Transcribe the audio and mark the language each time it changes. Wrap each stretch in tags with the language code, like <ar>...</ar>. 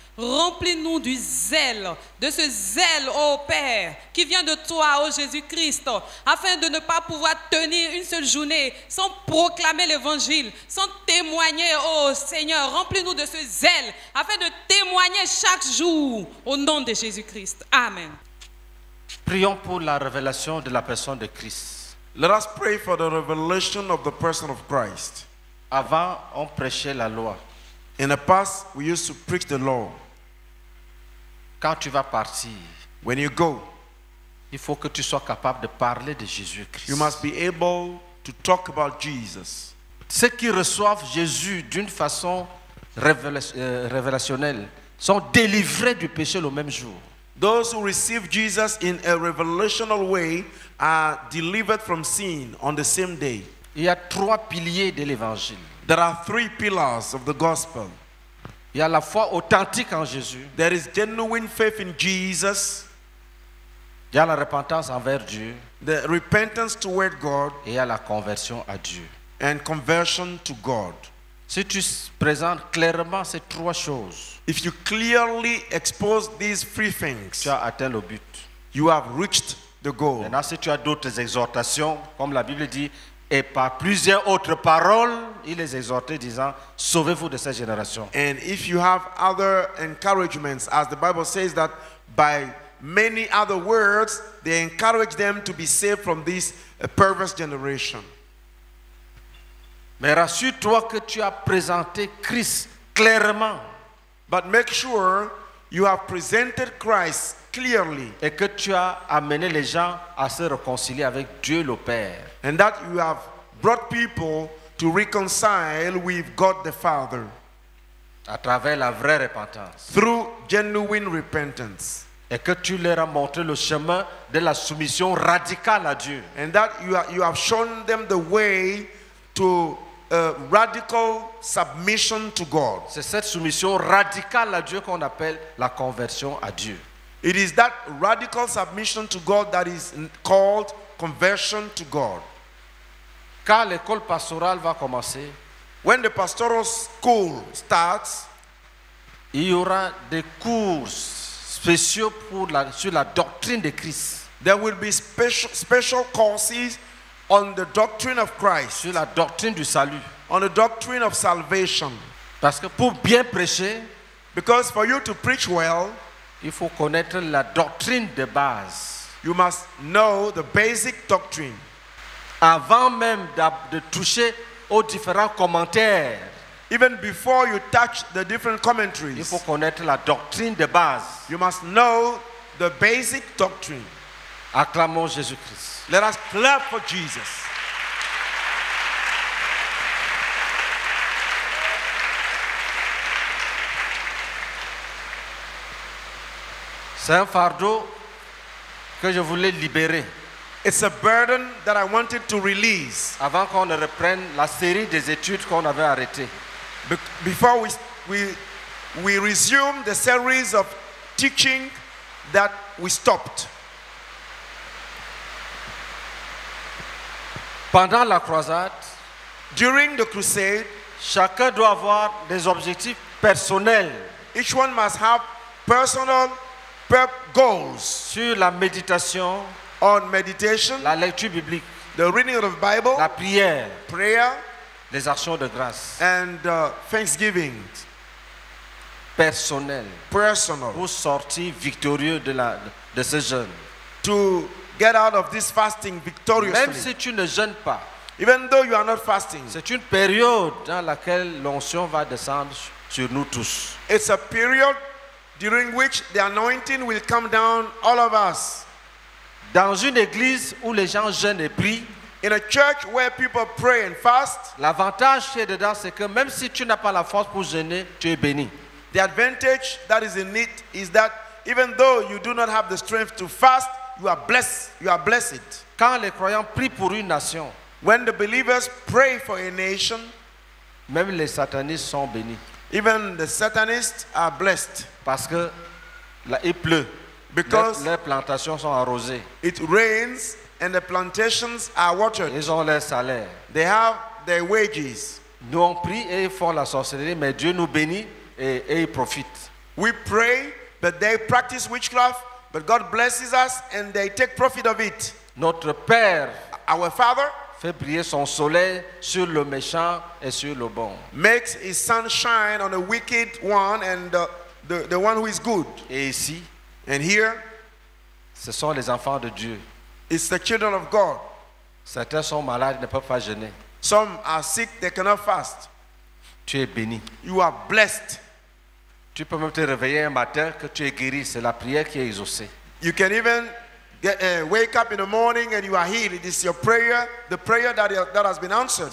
<fr>Remplis-nous du zèle, de ce zèle, ô Père, qui vient de toi, ô Jésus-Christ, afin de ne pas pouvoir tenir une seule journée sans proclamer l'Évangile, sans témoigner, ô Seigneur. Remplis-nous de ce zèle, afin de témoigner chaque jour, au nom de Jésus-Christ. Amen. Prions pour la révélation de la personne de Christ.</fr> <en>Let us pray for the revelation of the person of Christ.</en> <fr>Avant, on prêchait la loi.</fr> <en>In the past, we used to preach the law.</en> <fr>Quand tu vas partir,</fr> <en>when you go,</en> <fr>il faut que tu sois capable de parler de Jésus-Christ.</fr> <en>You must be able to talk about Jesus.</en> <fr>Ceux qui reçoivent Jésus d'une façon révélationnelle sont délivrés du péché le même jour.</fr> <en>Those who receive Jesus in a revelational way are delivered from sin on the same day.</en> <fr>Il y a trois piliers de l'évangile.</fr> <en>There are three pillars of the gospel.</en> <fr>Il y a la foi authentique en Jésus.</fr> <en>There is genuine faith in Jesus.</en> <fr>Il y a la repentance envers Dieu.</fr> <en>The repentance toward God.</en> <fr>Et il y a la conversion à Dieu.</fr> <en>And conversion to God.</en> <fr>Si tu présentes clairement ces trois choses,</fr> <en>if you clearly expose these three things,</en> <fr>tu as atteint le but.</fr> <en>You have reached the goal.</en> <fr>Maintenant, si tu as d'autres exhortations, comme la Bible dit, et par plusieurs autres paroles, il les exhortait disant, sauvez-vous de cette génération.</fr> <en>And if you have other encouragements, as the Bible says that by many other words, they encourage them to be saved from this perverse generation.</en> <fr>Mais rassure-toi que tu as présenté Christ clairement.</fr> <en>But make sure you have presented Christ clearly.</en> <fr>Et que tu as amené les gens à se réconcilier avec Dieu le Père.</fr> <en>And that you have brought people to reconcile with God the Father.</en> <fr>À travers la vraie repentance.</fr> <en>Through genuine repentance.</en> <fr>Et que tu leur as montré le chemin de la soumission radicale à Dieu.</fr> <en>And that you have shown them the way to a radical submission to God.</en> <fr>C'est cette soumission radicale à Dieu qu'on appelle la conversion à Dieu.</fr> <en>It is that radical submission to God that is called conversion to God.</en> <fr>Quand l'école pastorale va commencer,</fr> <en>when the pastoral school starts,</en> <fr>il y aura des cours spéciaux pour sur la doctrine de Christ.</fr> <en>There will be special courses on the doctrine of Christ,</en> <fr>sur la doctrine du salut,</fr> <en>on the doctrine of salvation.</en> <fr>Parce que pour bien prêcher,</fr> <en>because for you to preach well,</en> <fr>il faut connaître la doctrine de base.</fr> <en>You must know the basic doctrine.</en> <fr>Avant même de toucher aux différents commentaires,</fr> <en>even before you touch the different commentaries,</en> <fr>il faut connaître la doctrine de base.</fr> <en>You must know the basic doctrine.</en> <fr>Acclamons Jésus-Christ.</fr> <en>Let us clap for Jesus.</en> <fr>C'est un fardeau que je voulais libérer.</fr> <en>It's a burden that I wanted to release.</en> <fr>Avant qu'on ne reprenne la série des études qu'on avait arrêté.</fr> <en>Before we resume the series of teaching that we stopped.</en> <fr>Pendant la croisade,</fr> <en>during the crusade,</en> <fr>chacun doit avoir des objectifs personnels.</fr> <en>Each one must have personal goals.</en> <fr>Sur la méditation,</fr> <en>on meditation,</en> <fr>la lecture biblique,</fr> <en>the reading of the Bible,</en> <fr>la prière,</fr> <en>prayer,</en> <fr>les actions de grâce,</fr> <en>and thanksgiving.</en> <fr>Personnel. Pour sortir victorieux de ce jeûne.</fr> <en>To get out of this fasting victoriously.</en> <fr>Même si tu ne jeûnes pas,</fr> <en>even though you are not fasting,</en> <fr>c'est une période dans laquelle l'onction va descendre sur nous tous.</fr> <en>It's a period during which the anointing will come down all of us.</en> <fr>Dans une église où les gens jeûnent et prient,</fr> <en>in a church where people pray and fast,</en> <fr>l'avantage qui est dedans, c'est que même si tu n'as pas la force pour jeûner, tu es béni.</fr> <en>The advantage that is in it is that even though you do not have the strength to fast, you are blessed. You are blessed.</en> <fr>Quand les croyants prient pour une nation,</fr> <en>when the believers pray for a nation,</en> <fr>même les satanistes sont bénis.</fr> <en>Even the satanists are blessed.</en> <fr>Parce que là, il pleut.</fr> <en>Because</en> <fr>les plantations sont arrosées.</fr> <en>It rains and the plantations are watered.</en> <fr>Ils ont leur salaire.</fr> <en>They have their wages.</en> <fr>Nous on prie et ils font la sorcellerie, mais Dieu nous bénit et ils profitent.</fr> <en>We pray, but they practice witchcraft, but God blesses us and they take profit of it.</en> <fr>Notre Père,</fr> <en>our Father,</en> <fr>fait briller son soleil sur le méchant et sur le bon.</fr> <en>Makes his sun shine on the wicked one and the one who is good.</en> <fr>Et ici,</fr> <en>and here,</en> <fr>ce sont les enfants de Dieu.</fr> <en>It's the children of God.</en> <fr>Certains sont malades, ne peuvent pas jeûner.</fr> <en>Some are sick, they cannot fast.</en> <fr>Tu es béni.</fr> <en>You are blessed.</en> <fr>Tu peux même te réveiller un matin que tu es guéri, c'est la prière qui est exaucée.</fr> <en>You can even wake up in the morning and you are healed. It is your prayer, the prayer that has been answered.</en>